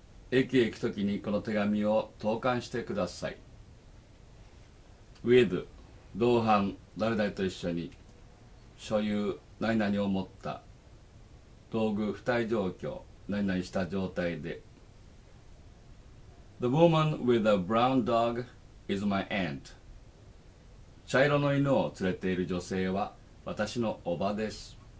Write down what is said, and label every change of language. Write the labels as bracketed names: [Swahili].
[Japanese] 駅へ行くときにこの手紙を投函してください。 With 同伴誰々と一緒に所有何々を持った道具不帯状況何々した状態で。 [English] The woman with the brown dog is my aunt. [Japanese] 茶色の犬を連れている女性は私のおばです。